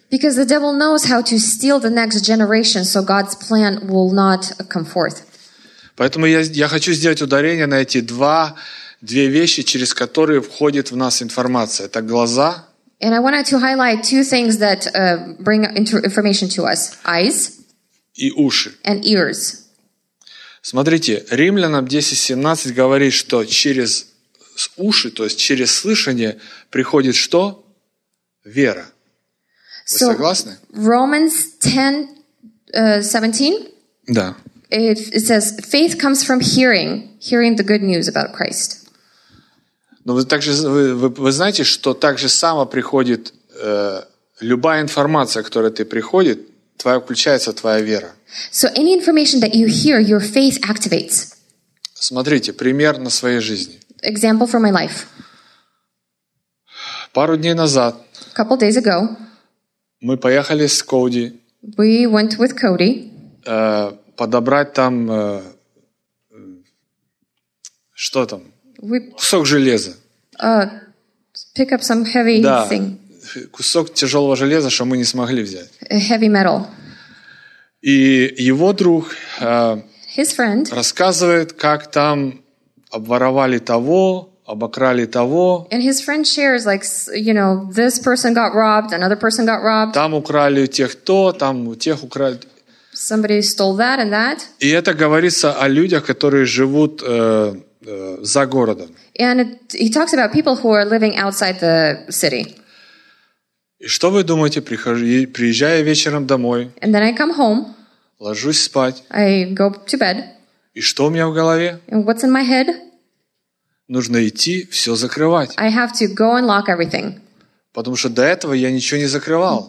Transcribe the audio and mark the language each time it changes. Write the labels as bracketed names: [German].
[English] Because the devil knows how to steal the next generation, so God's plan will not come forth. [Russian] Поэтому я хочу сделать ударение на эти две вещи, через которые входит в нас информация. Это глаза. [English] And I wanted to highlight two things that bring information to us. Eyes. [Russian] И уши. [English] And ears. [Russian] Смотрите, Римлянам 10:17 говорит, что через уши, то есть через слышание, приходит что? Вера. Вы [English] so, [Russian] согласны? [English] Romans 10:17. [Russian] Да. [English] It says faith comes from hearing the good news about Christ. [Russian] Но вы знаете, что так же само приходит любая информация, которая тебе приходит, твоя включается твоя вера. [English] So any information that you hear, your faith activates. [Russian] Смотрите, пример на своей жизни. [English] Example from my life. [Russian] Пару дней назад. [English] Couple days ago. [Russian] Мы поехали с Коди. [English] We went with Cody. [Russian] Подобрать там Что там? Кусок железа. [English] Pick up some heavy thing. [Russian] Кусок тяжелого железа, что мы не смогли взять. [English] A heavy metal. [Russian] И его друг [English] his friend [Russian] рассказывает, как там обворовали того, обокрали того. [English] And his friend shares, like, you know, this person got robbed, another person got robbed. [Russian] Там украли у тех то, там у тех украли. [English] Somebody stole that and that. [Russian] И это говорится о людях, которые живут за городом. [English] And he talks about people who are living outside the city. [Russian] И что вы думаете, приезжая вечером домой? [English] And then I come home. [Russian] Ложусь спать. [English] I go to bed. [Russian] И что у меня в голове? [English] And what's in my head? [Russian] Нужно идти все закрывать. [English] I have to go and lock everything. [Russian] Потому что до этого я ничего не закрывал.